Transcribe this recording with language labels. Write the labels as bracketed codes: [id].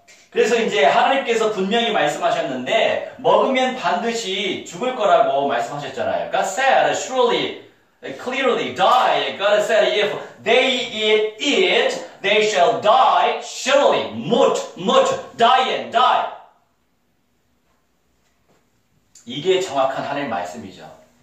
[ko] 그래서 이제 하나님께서 분명히 말씀하셨는데 먹으면 반드시 죽을 거라고 말씀하셨잖아요. [en] God said, surely, clearly die. God said, if they eat it, they shall die surely. Mut, mut, die and die. [ko] 이게 정확한 하나님 말씀이죠.